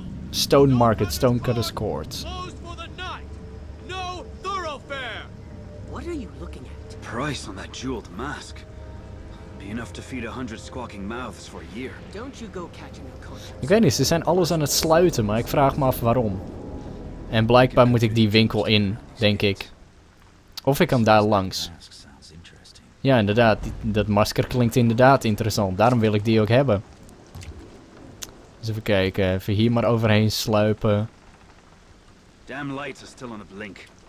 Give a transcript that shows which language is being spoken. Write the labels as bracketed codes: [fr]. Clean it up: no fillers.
[en] Stone Market, Stonecutter's Court. Closed for the night. No thoroughfare. What are you looking at? The price on that jeweled mask. Be enough to feed 100 squawking mouths for a year. Don't you go catching the cops. [nl] Ik weet niet, ze zijn alles aan het sluiten, maar ik vraag me af waarom. En blijkbaar moet ik die winkel in, denk ik. Of ik kan daar langs. Ja, inderdaad, dat masker klinkt inderdaad interessant. Daarom wil ik die ook hebben. Dus even kijken, even hier maar overheen sluipen. [en] Damn lights are still on a blink.